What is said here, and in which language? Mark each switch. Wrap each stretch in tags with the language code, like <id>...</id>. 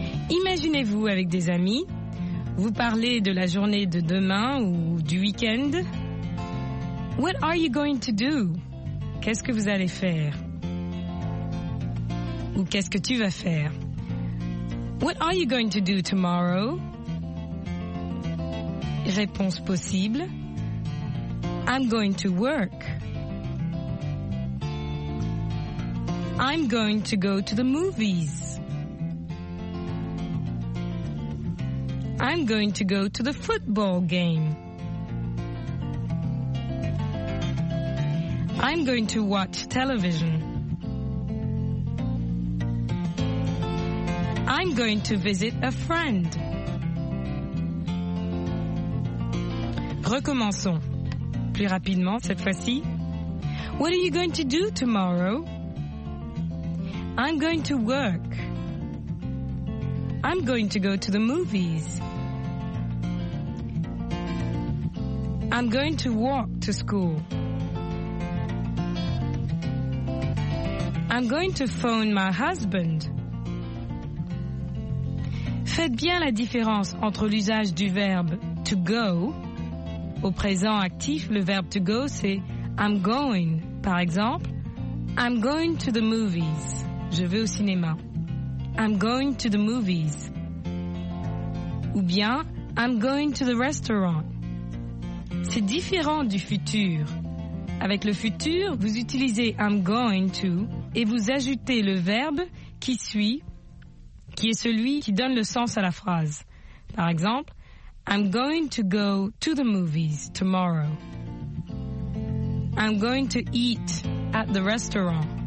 <fr>Imaginez-vous avec des amis. Vous parlez de la journée de demain ou du week-end.</fr> <en>What are you going to do?</en> <fr>Qu'est-ce que vous allez faire? Ou qu'est-ce que tu vas faire?</fr> <en>What are you going to do tomorrow?</en> <fr>Réponse possible.</fr> <en>I'm going to work. I'm going to go to the movies. I'm going to go to the football game. I'm going to watch television. I'm going to visit a friend.</en> <fr>Recommençons. Plus rapidement cette fois-ci.</fr> <en>What are you going to do tomorrow? I'm going to work. I'm going to go to the movies. I'm going to walk to school. I'm going to phone my husband.</en> <fr>Faites bien la différence entre l'usage du verbe to go. Au présent actif, le verbe to go, c'est</fr> <en>I'm going.</en> <fr>Par exemple,</fr> <en>I'm going to the movies.</en> <fr>Je vais au cinéma.</fr> <en>I'm going to the movies.</en> <fr>Ou bien,</fr> <en>I'm going to the restaurant.</en> <fr>C'est différent du futur. Avec le futur, vous utilisez</fr> <en>I'm going to</en> <fr>et vous ajoutez le verbe qui suit, qui est celui qui donne le sens à la phrase. Par exemple,</fr> <en>I'm going to go to the movies tomorrow. I'm going to eat at the restaurant.</en>